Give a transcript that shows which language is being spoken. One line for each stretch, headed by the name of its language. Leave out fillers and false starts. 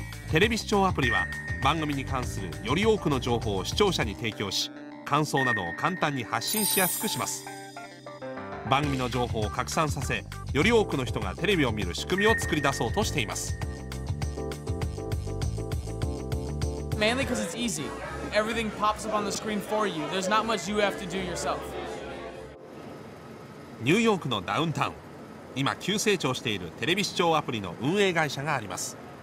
Japanese: テレビ視聴アプリは番組に関するより多くの情報を視聴者に提供し、感想などを簡単に発信しやすくします。番組の情報を拡散させ、より多くの人がテレビを見る仕組みを作り出そうとしています。
English: Mainly because it's easy. Everything pops up on the screen for you. There's not much you have to do yourself.
Japanese: ニューヨークのダウンタウン、今急成長しているテレビ視聴アプリの運営会社があります。